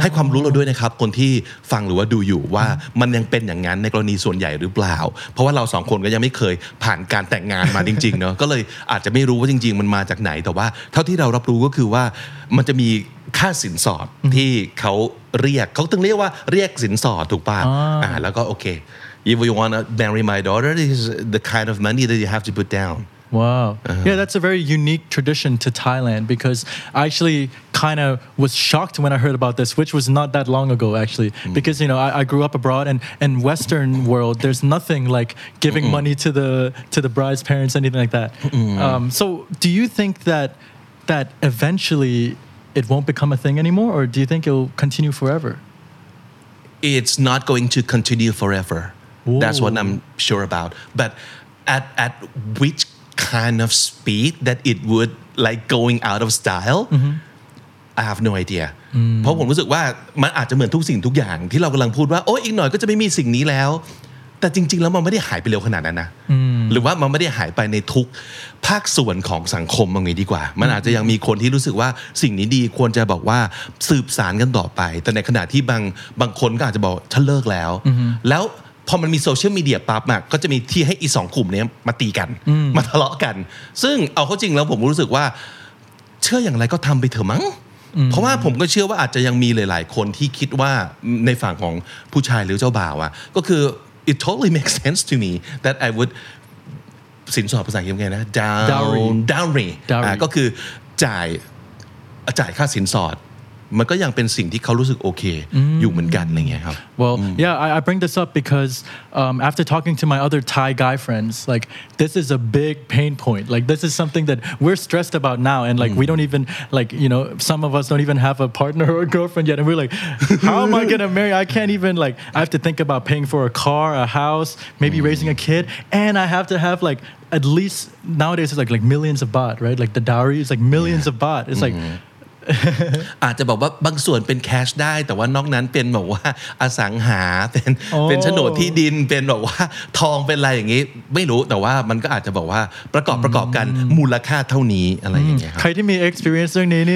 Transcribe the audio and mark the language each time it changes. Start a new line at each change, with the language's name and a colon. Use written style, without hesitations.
Thai: ให้ความรู้เราด้วยนะครับคนที่ฟังหรือว่าดูอยู่ว่า มันยังเป็นอย่างนั้นในกรณีส่วนใหญ่หรือเปล่าเพราะว่าเราสองคนก็ยังไม่เคยผ่านการแต่งงานมาจริงๆเนาะ ก็เลยอาจจะไม่รู้ว่าจริงๆมันมาจากไหนแต่ว่าเท่าที่เรารับรู้ก็คือว่ามันจะมีค่าสินสอด ที่เขาเรียกเขาต้องเรียกว่าเรียกสินสอดถูกป่ะ แล้วก็โอเค
English: if you want to marry my daughter this is the kind of money that you have to put down Wow. Uh-huh. Yeah, that's a very unique tradition to Thailand because I actually kind of was shocked when I heard about this, which was not that long ago, actually. Mm. Because, you know, I grew up abroad and in Western world, there's nothing like giving Mm-mm. money to the bride's parents, anything like that. So do you think that eventually it won't become a thing anymore or do you think it'll continue forever? it's not going to continue forever. Ooh. That's what I'm sure about. But at which kind of speed that it would like going out of style, mm-hmm. I have no idea.
Thai: เพราะผมรู้สึกว่ามันอาจจะเหมือนทุกสิ่งทุกอย่างที่เรากำลังพูดว่าโอ้อีกหน่อยก็จะไม่มีสิ่งนี้แล้วแต่จริงๆแล้วมันไม่ได้หายไปเร็วขนาดนั้นนะหรือว่ามันไม่ได้หายไปในทุกภาคส่วนของสังคมอย่างนี้ดีกว่ามันอาจจะยังมีคนที่รู้สึกว่าสิ่งนี้ดีควรจะบอกว่าสืบสานกันต่อไปแต่ในขณะที่บางคนก็อาจจะบอกฉันเลิกแล้วแล้วพอมันมีโซเชียลมีเดียปั๊บมากก็จะมีที่ให้อีสองกลุ่มนี้มาตีกันมาทะเลาะกันซึ่งเอาเข้าจริงแล้วผมรู้สึกว่า เชื่ออย่างไรก็ทำไปเถอะมั้งเพราะว่าผมก็เชื่อว่าอาจจะยังมีหลายๆคนที่คิดว่าในฝั่งของผู้ชายหรือเจ้าบ่าวอ่ะก็คือ
English: it totally makes sense to me that I would
Thai: สินสอดภาษาอังกฤษไงนะ
English: dowry
Thai: ก็คือจ่ายค่าสินสอดมันก็ยังเป็นสิ่งที่เขารู้สึกโอเคอยู่เหมือนกันอะไรเงี้ยครับ
English: well yeah I bring this up because after talking to my other Thai guy friends like this is a big pain point like this is something that we're stressed about now and like we don't even like you know some of us don't even have a partner or a girlfriend yet and we're like how am I gonna marry I can't even like I have to think about paying for a car a house maybe raising a kid and I have to have like at least nowadays it's like millions of baht right like the dowry is like millions of baht it's like
Thai: อาจจะบอกว่าบางส่วนเป็นแคชได้แต่ว่านอกนั้นเป็นแบบว่าอสังหาเป็นโฉนดที่ดินเป็นแบบว่าทองเป็นอะไรอย่างงี้ไม่รู้แต่ว่ามันก็อาจจะบอกว่าประกอบกันมูลค่าเท่านี้อะไรอย่างเงี้ยครับ ใครที่มี experience เรื่องนี้นี